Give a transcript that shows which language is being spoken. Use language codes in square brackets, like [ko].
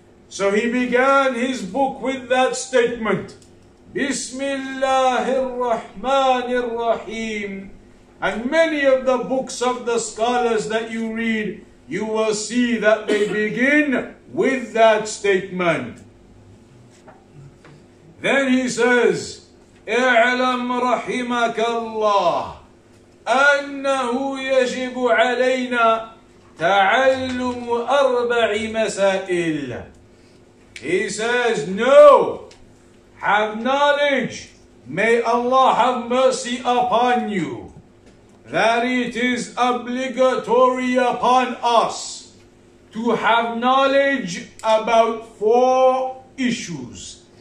[en] So he began his book with that statement, Bismillahir Rahmanir Rahim. And many of the books of the scholars that you read, you will see that they begin with that statement. Then he says, [ar] اعلم رحمك الله أنه يجب علينا تعلم أربع مسائل. [en] He says, know, have knowledge, may Allah have mercy upon you, that it is obligatory upon us to have knowledge about four issues.